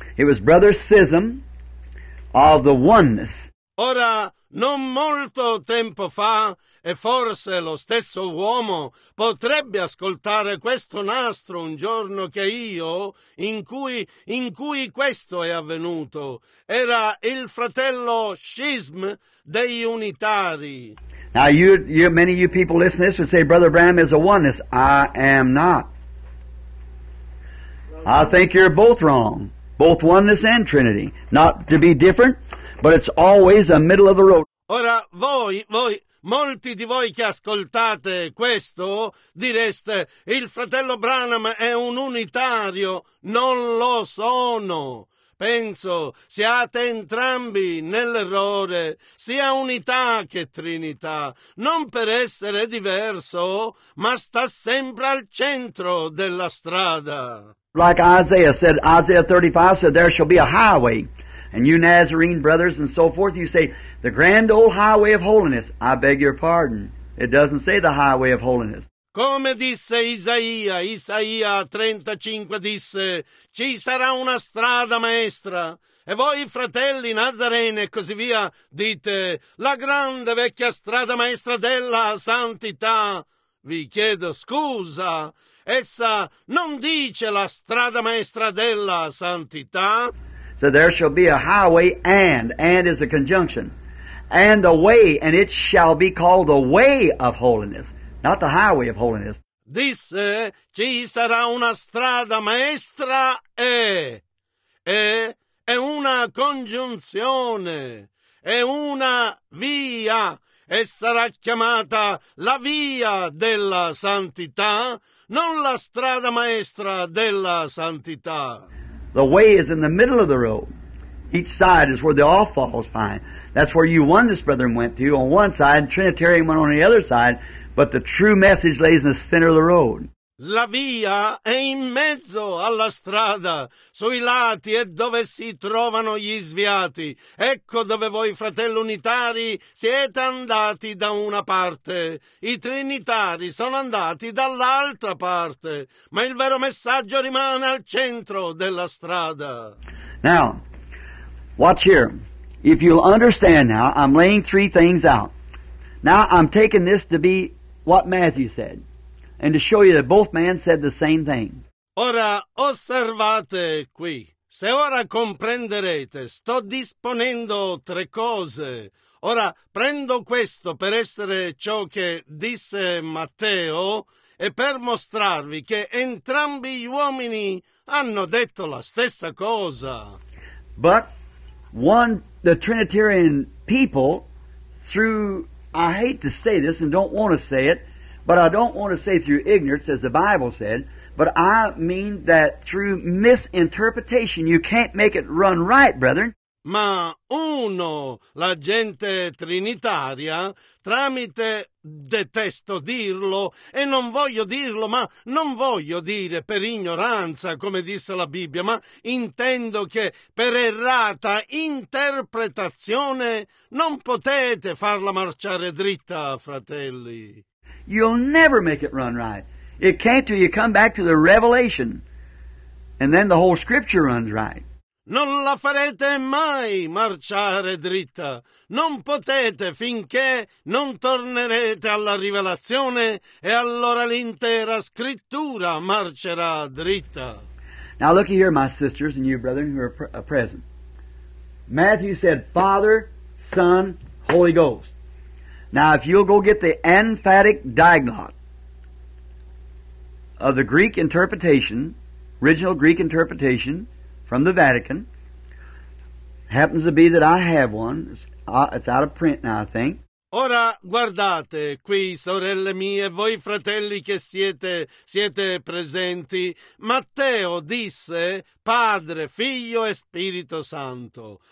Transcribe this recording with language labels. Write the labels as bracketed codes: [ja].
[en] It was Brother Sism of the Oneness. [it] Ora, non molto tempo fa, e forse lo stesso uomo potrebbe ascoltare questo nastro un giorno che io, in cui questo è avvenuto, era il fratello Schism degli Unitari. [en] Now, many of you people listen to this would say, Brother Branham is a oneness. I am not. I think you're both wrong, both oneness and Trinity. Not to be different, but it's always a middle of the road. [it] Ora, voi, molti di voi che ascoltate questo, direste, il fratello Branham è un unitario. Non lo sono. Penso, siate entrambi nell'errore, sia unità che trinità, non per essere diverso, ma sta sempre al centro della strada. [en] Like Isaiah 35 said, there shall be a highway. And you Nazarene brothers and so forth, you say, the grand old highway of holiness. I beg your pardon. It doesn't say the highway of holiness. [it] Come disse Isaia 35 disse, ci sarà una strada maestra. E voi, fratelli Nazarene e così via, dite, la grande vecchia strada maestra della santità. Vi chiedo scusa. Essa non dice la strada maestra della santità. [en] So there shall be a highway, and is a conjunction, and a way, and it shall be called the way of holiness, not the highway of holiness. [it] Disse, ci sarà una strada maestra, è una congiunzione, è una via, e sarà chiamata la via della santità, non la strada maestra della santità. [en] The way is in the middle of the road. Each side is where the off falls find. That's where you oneness brethren went to on one side, and Trinitarian went on the other side, but the true message lays in the center of the road. [it] La via è in mezzo alla strada, sui lati e dove si trovano gli sviati. Ecco dove voi, fratelli unitari, siete andati da una parte. I trinitari sono andati dall'altra parte, ma il vero messaggio rimane al centro della strada. [en] Now, watch here. If you'll understand now, I'm laying three things out. Now, I'm taking this to be what Matthew said, and to show you that both men said the same thing. [it] Ora osservate qui. Se ora comprenderete, sto disponendo tre cose. Ora prendo questo per essere ciò che disse Matteo e per mostrarvi che entrambi gli uomini hanno detto la stessa cosa. [en] But one, the Trinitarian people, through, I hate to say this and don't want to say it, but I don't want to say through ignorance, as the Bible said, but I mean that through misinterpretation, you can't make it run right, brethren. [it] Ma uno, la gente trinitaria, tramite, detesto dirlo, e non voglio dirlo, ma non voglio dire per ignoranza, come disse la Bibbia, ma intendo che per errata interpretazione non potete farla marciare dritta, fratelli. [en] You'll never make it run right. It can't till you come back to the revelation, and then the whole scripture runs right. [it] Non la farete mai marciare dritta. Non potete finché non tornerete alla rivelazione e allora l'intera scrittura marcerà dritta. [en] Now look here, my sisters and you, brethren, who are present. Matthew said, Father, Son, Holy Ghost. Now if you'll go get the emphatic diglot of the Greek interpretation, original Greek interpretation, from the Vatican, happens to be that I have one. It's out of print now, I think. [it] Ora guardate qui, sorelle mie, voi fratelli che siete presenti. Matteo disse, Padre, Figlio e Spirito Santo.